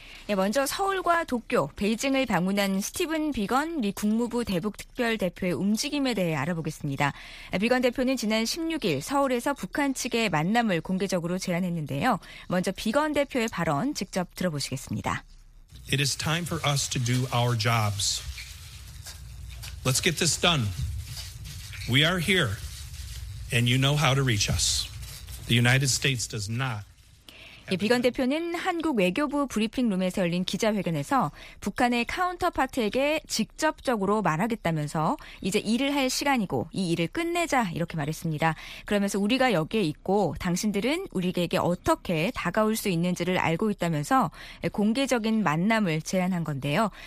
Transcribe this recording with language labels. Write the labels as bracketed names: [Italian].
[Korean] 네, 먼저 서울과 도쿄, 베이징을 방문한 스티븐 비건 미 국무부 대북특별대표의 움직임에 대해 알아보겠습니다. 비건 대표는 지난 16일 서울에서 북한 측에 만남을 공개적으로 제안했는데요. 먼저 비건 대표의 발언 직접 들어보시겠습니다. [English] It is time for us to do our jobs. Let's get this done. We are here, and you know how to reach us. The United States does not. [Korean] 예, 비건 대표는 한국 외교부 브리핑룸에서 열린 기자회견에서 북한의 카운터파트에게 직접적으로 말하겠다면서 이제 일을 할 시간이고 이 일을 끝내자 이렇게 말했습니다. 그러면서 우리가 여기에 있고 당신들은 우리에게 어떻게 다가올 수 있는지를 알고 있다면서 공개적인 만남을 제안한 건데요.